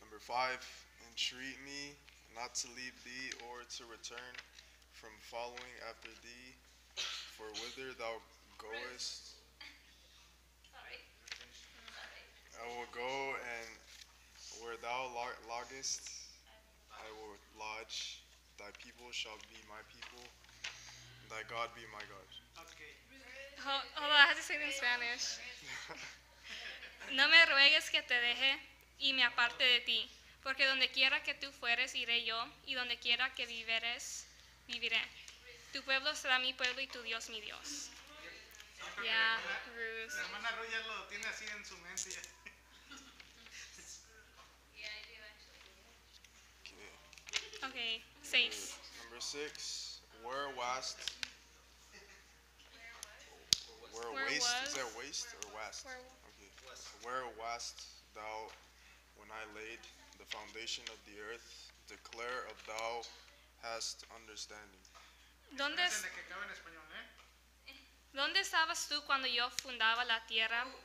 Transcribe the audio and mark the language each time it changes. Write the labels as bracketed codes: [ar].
[en] Number 5, entreat me not to leave thee or to return from following after thee, for whither thou goest, I will go, and where thou lodgest, I will lodge. Thy people shall be my people, thy God be my God. Okay. Hold on, I have to say it in Spanish. [es] No me ruegues que te deje y me aparte de ti, porque donde quiera que tú fueres, iré yo, y donde quiera que viveres, viviré. Tu pueblo será mi pueblo y tu Dios mi Dios. Sí, yeah, Ruth. La hermana Ruth ya lo tiene así en su mente. [en] Okay, 6. Number 6, where wast? Where waste? Is that waste or wast? Where wast thou when I laid the foundation of the earth? Declare if thou hast understanding. [es] ¿Dónde estabas tú cuando yo fundaba la tierra?